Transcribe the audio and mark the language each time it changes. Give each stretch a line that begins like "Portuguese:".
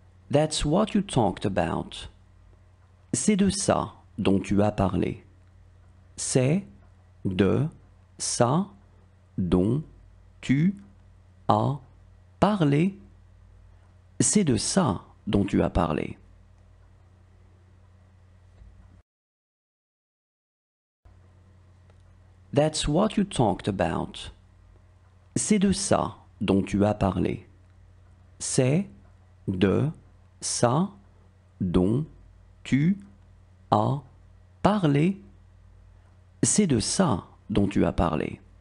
English: That's what you talked about.
French: C'est de ça dont tu as parlé. C'est de ça dont tu as parlé. C'est de ça dont tu as parlé.
English: That's what you talked about.
French: C'est de ça dont tu as parlé. C'est de ça dont tu as parlé. C'est de ça dont tu as parlé.